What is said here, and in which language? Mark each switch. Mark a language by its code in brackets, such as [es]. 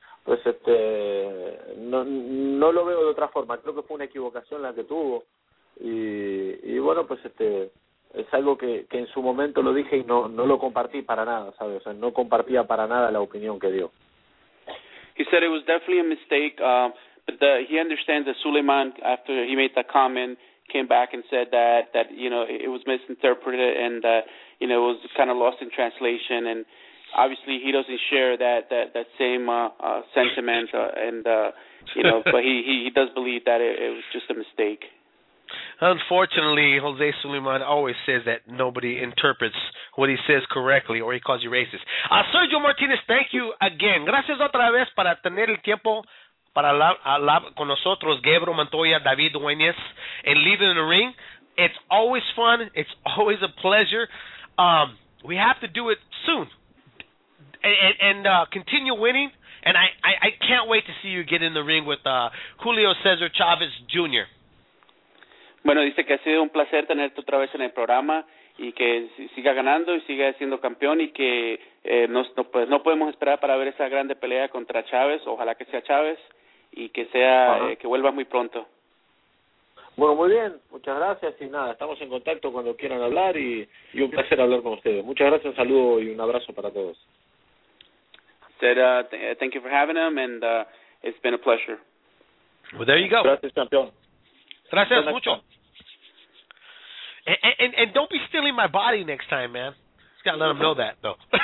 [es] Pues no lo veo de otra forma. Creo que fue una equivocación la que tuvo. Y bueno, pues es algo que en su momento lo dije y no lo compartí para nada, ¿sabes? O sea, no compartía para nada la opinión que dio. [en] He said it was definitely a mistake, but he understands that Suleiman, after he made that comment, came back and said that you know, it was misinterpreted and that, you know, it was kind of lost in translation. And obviously, he doesn't share that same sentiment. But he does believe that it was just a mistake. Unfortunately, Jose Suleiman always says that nobody interprets what he says correctly, or he calls you racist. [es] Sergio Martinez, [en] thank you again. [es] Gracias otra vez para tener el tiempo para hablar con nosotros, Gabriel Montoya, David Duenas, and Leaving the Ring. [en] It's always fun. It's always a pleasure. We have to do it soon and continue winning. And I can't wait to see you get in the ring with Julio Cesar Chavez Jr. [es] Bueno, dice que ha sido un placer tenerte otra vez en el programa y que siga ganando y siga siendo campeón y que no podemos esperar para ver esa grande pelea contra Chávez, ojalá que sea Chávez y que sea que vuelva muy pronto. Bueno, muy bien, muchas gracias y nada, estamos en contacto cuando quieran hablar y un placer hablar con ustedes. Muchas gracias, un saludo y un abrazo para todos. [en] Thank you for having him and it's been a pleasure. Well, there you go. [es] Gracias, campeón. Gracias mucho. [en] And don't be stealing my body next time, man. Just got to let them know that, though.